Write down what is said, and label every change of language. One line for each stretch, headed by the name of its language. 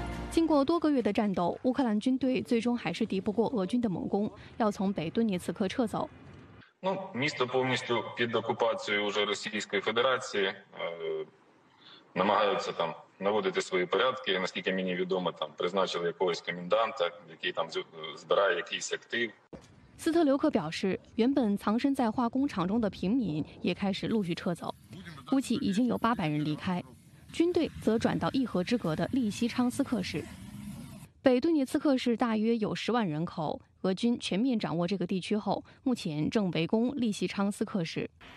Chinese: 经过多个月的战斗，乌克兰军队最终还是敌不过俄军的猛攻，要从北顿涅茨克撤走。
Ukrainian: місто повністю під окупацією уже Російської Федерації, намагаються там наводити свої порядки. Наскільки мені відомо, там призначили якогось коменданта, який там збирає якийсь актив.
Chinese: 斯特留克表示，原本藏身在化工厂中的平民也开始陆续撤走，估计已经有800人离开。军队则转到伊核之隔的利西昌斯克市。北顿涅茨克市大约有10万人口，俄军全面掌握这个地区后，目前正围攻利西昌斯克市。